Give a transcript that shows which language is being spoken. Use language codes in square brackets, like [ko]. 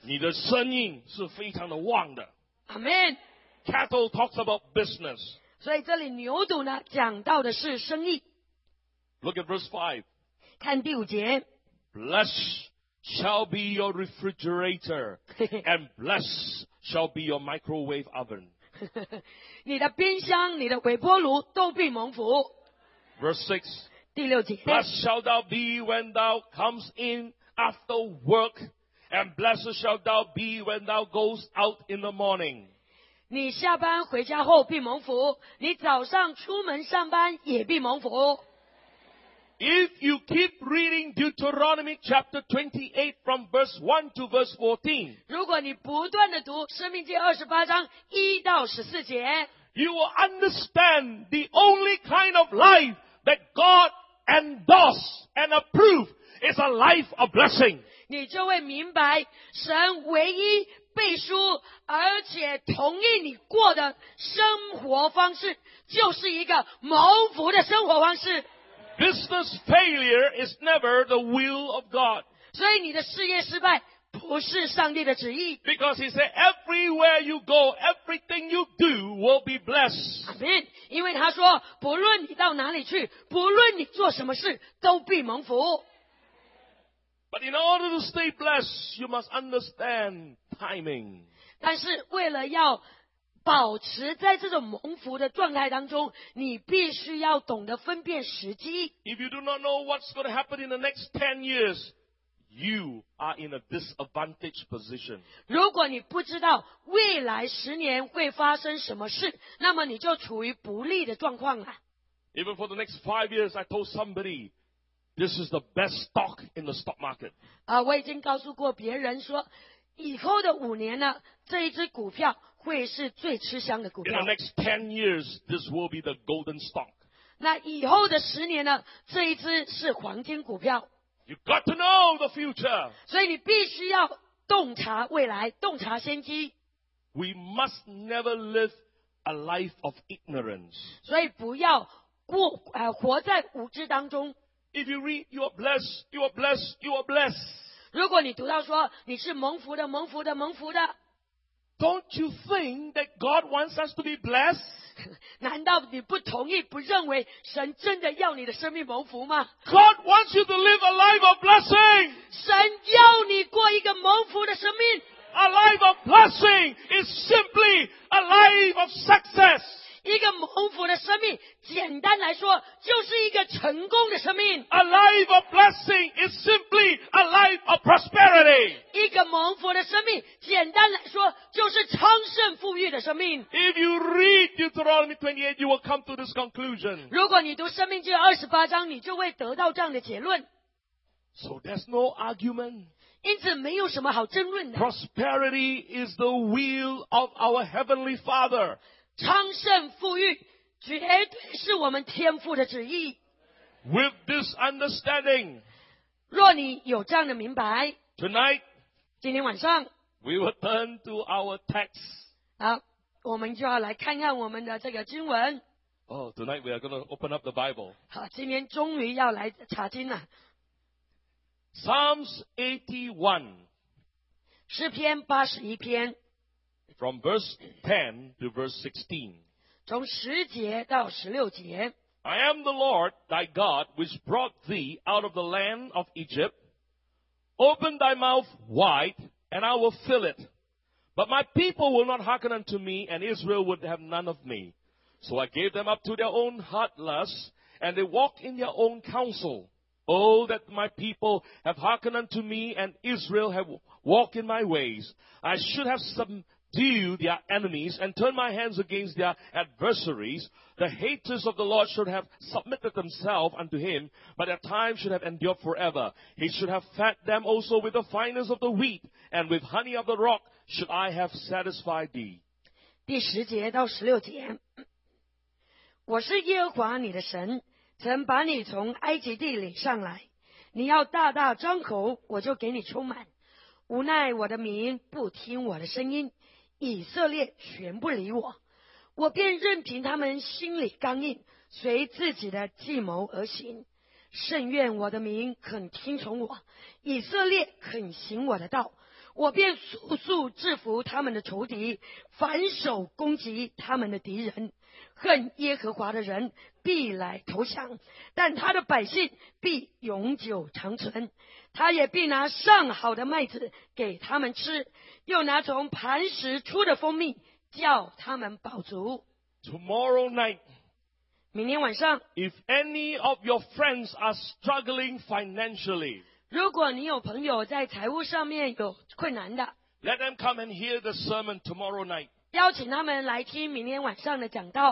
[zh] 你的生意是非常的旺的。 [en] Amen. Cattle talks about business. [zh] 所以这里牛犊呢，讲到的是生意。 [en] Look at verse 5. [zh] 看第五节。 [en] Blessed shall be your refrigerator, and blessed shall be your microwave oven. [zh] 你的冰箱、你的微波炉都必蒙福。 [en] Verse 6. [zh] 第六节。 [en] Blessed shall thou be when thou comes in after work, and blessed shall thou be when thou goes out in the morning. [zh] 你下班回家后必蒙福，你早上出门上班也必蒙福。 [en] If you keep reading Deuteronomy chapter 28 from verse 1 to verse 14, [zh] 如果你不断地读《生命记》28章1到14节， [en] you will understand the only kind of life that God endorses and approves is a life of blessing. [zh] 你就会明白神唯一背书而且同意你过的生活方式就是一个蒙福的生活方式。 [en] Business failure is never the will of God. [zh] 所以你的事业失败不是上帝的旨意。 [en] Because he said, everywhere you go, everything you do will be blessed. Amen. [zh] 因为他说，不论你到哪里去，不论你做什么事，都必蒙福。 [en] But in order to stay blessed, you must understand timing. [zh] 但是为了要保持在这种蒙福的状态当中，你必须要懂得分辨时机。 [en] If you do not know what's going to happen in the next 10 years, you are in a disadvantaged position. [zh] 如果你不知道未来十年会发生什么事，那么你就处于不利的状况了。 [en] Even for the next 5 years, I told somebody, this is the best stock in the stock market. [zh] 我已经告诉过别人说，以后的五年呢，这一只股票会是最吃香的股票。 [en] In the next 10 years, this will be the golden stock. [zh] 那以后的十年呢，这一只是黄金股票。 [en] You got to know the future. [zh] 所以你必须要洞察未来，洞察先机。 [en] We must never live a life of ignorance. [zh] 所以不要活在无知当中。 [en] If you read, you are blessed, you are blessed, you are blessed. [zh] 如果你读到说你是蒙福的蒙福的蒙福的 [en] Don't you think that God wants us to be blessed? [zh] 难道你不同意不认为神真的要你的生命蒙福吗？ [en] God wants you to live a life of blessing. [zh] 神要你过一个蒙福的生命。 [en] A life of blessing is simply a life of success. [zh] 一个蒙福的生命，简单来说，就是一个成功的生命。 [en] A life of blessing is simply a life of prosperity. [zh] 一个蒙福的生命，简单来说，就是昌盛富裕的生命。 [en] If you read Deuteronomy 28, you will come to this conclusion. [zh] 如果你读《生命记》28章，你就会得到这样的结论。 [en] So there's no argument. [zh] 因此没有什么好争论的。 [en] Prosperity is the will of our Heavenly Father. [zh] 昌盛富裕绝对是我们天父的旨意。 [en] With this understanding, [zh] 若你有这样的明白 [en] ,Tonight, [zh] 今天晚上 [en] we will turn to our text. [zh] 好，我们就要来看看我们的这个经文。 [en] Oh, tonight we are going to open up the Bible. [zh] 好，今天终于要来查经了。 [en] Psalms 81, [zh] 诗篇81篇 [en] from verse 10 to verse 16, [zh] 从十节到十六节 [en] I am the Lord thy God which brought thee out of the land of Egypt. Open thy mouth wide, and I will fill it. But my people will not hearken unto me, and Israel would have none of me. So I gave them up to their own heart lusts, and they walked in their own counsel. Oh, that my people have hearkened unto me, and Israel have walked in my ways. I should have subdued their enemies, and turned my hands against their adversaries. The haters of the Lord should have submitted themselves unto him, but their time should have endured forever. He should have fed them also with the finest of the wheat, and with honey of the rock should I have satisfied thee. [zh] 第十节到十六节，我是耶和华你的神。曾把你从埃及地领上来，你要大大张口，我就给你充满。无奈我的民不听我的声音，以色列全不理我，我便任凭他们心里刚硬，随自己的计谋而行。甚愿我的民肯听从我，以色列肯行我的道，我便速速制服他们的仇敌，反手攻击他们的敌人。恨耶和华的人必来投降，但他的百姓必永久长存。他也必拿上好的麦子给他们吃，又拿从磐石出的蜂蜜叫他们饱足。 [en] Tomorrow night, [zh] 明天晚上 [en] If any of your friends are struggling financially, [zh] 如果你有朋友在财务上面有困难的 [en] Let them come and hear the sermon tomorrow night. [zh] 邀请他们来听明天晚上的讲道。